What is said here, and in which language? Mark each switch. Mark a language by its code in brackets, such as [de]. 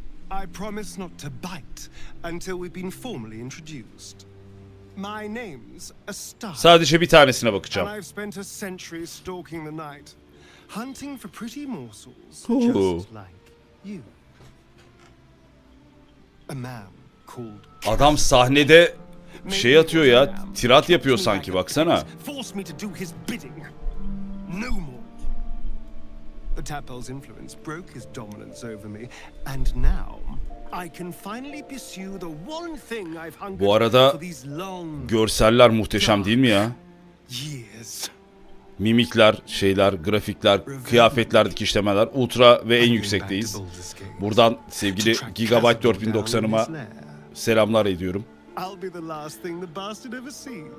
[en] I promise not to bite until we've been formally introduced. My name's Astar. [tr] Sadece bir tanesine bakacağım. [en] I've spent a century stalking the night, hunting for pretty morsels, just like you. A man called. [tr] Adam sahnede şey atıyor ya, tirat yapıyor sanki, baksana. [en] Forced me to do his bidding. No more. The Tadpole's influence broke his dominance over me, and now I can finally pursue the one thing I've hungered for these long. [tr] Bu arada görseller muhteşem değil mi ya? Mimikler, şeyler, grafikler, kıyafetler, dikişlemeler ultra ve en yüksekteyiz. Buradan sevgili Gigabyte 4090'ıma selamlar ediyorum. [en] I'll be the last thing the bastard ever sees.